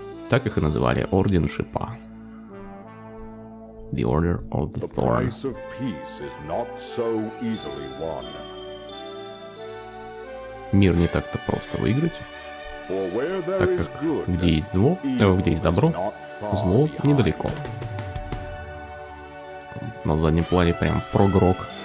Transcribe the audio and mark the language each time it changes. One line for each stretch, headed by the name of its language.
Russian: Так их и называли Орден Шипа.
English: The Order of the Thorn. The price of peace is not so easily won.
Russian: Мир не так-то просто выиграть, так как где есть зло, где есть добро, зло недалеко. На заднем плане прям прогрок.